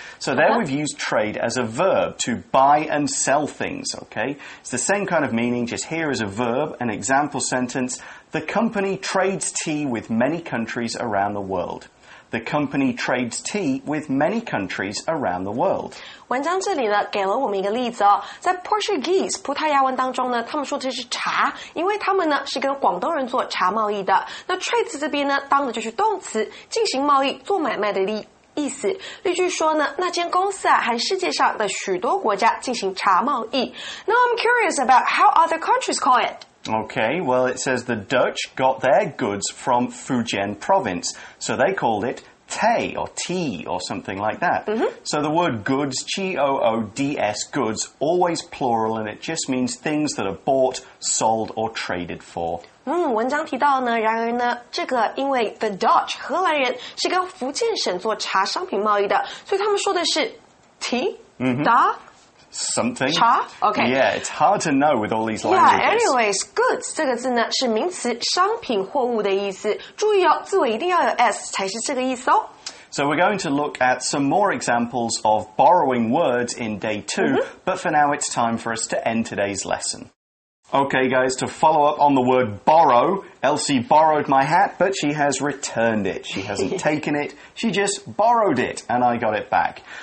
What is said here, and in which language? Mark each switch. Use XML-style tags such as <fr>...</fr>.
<en>So there we've used trade as a verb, to buy and sell things, okay? It's the same kind of meaning, just here as a verb, an example sentence. The company trades tea with many countries around the world. The company trades tea with many countries around the world.</en> <zh>文章这里呢给了我们一个例子哦。在 Portuguese, 葡萄牙文当中呢他们说这是茶因为他们呢是跟广东人做茶贸易的。那 trades 这边呢当的就是动词进行贸易做买卖的意思。例句说呢那间公司啊和世界上的许多国家进行茶贸易。</zh> <en>Now I'm curious about how other countries call it. Okay, well, it says the Dutch got their goods from Fujian province, so they called it tay or tea or something like that. So the word goods, G-O-O-D-S, goods, always plural, and it just means things that are bought, sold, or traded for.</en> <zh>文章提到呢然而呢这个因为 the Dutch, 荷兰人是跟福建省做茶商品贸易的所以他们说的是 tea, da,</zh> <en>Something. Cha? Okay. Yeah, it's hard to know with all these languages. Yeah, anyways,</en> <zh>goods 这个字呢是名词商品货物的意思。注意哦，字尾一定要有 s 才是这个意思哦。</zh> <en>So we're going to look at some more examples of borrowing words in day two, but for now it's time for us to end today's lesson. Okay, guys, to follow up on the word borrow, Elsie borrowed my hat, but she has returned it. She hasn't taken it. She just borrowed it, and I got it back.</en>